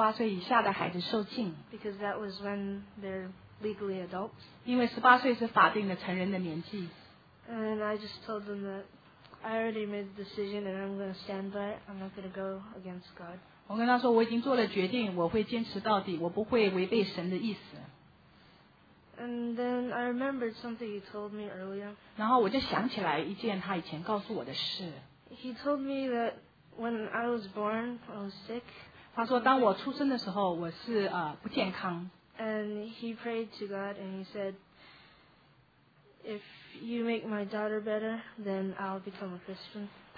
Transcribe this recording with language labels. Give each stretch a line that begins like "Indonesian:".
Chinese: 他跟我说这是错误的,教会不应该让18岁以下的孩子受浸。
English: Because that was when they're legally adults.
Chinese: 因为18岁是法定的成人的年纪。
English: And I just told them that I already made the decision and I'm going to stand by it. I'm not going to go against God.
Chinese: 我跟他说我已经做了决定,我会坚持到底,我不会违背神的意思。
English: And then I remembered something he told me earlier.
Chinese: 然后我就想起来一件他以前告诉我的事。
English: He told me that when I was born, I was sick.
Chinese: 他说当我出生的时候,我是不健康。
English: And he prayed to God and he said, if you make my daughter better, then I'll become a Christian.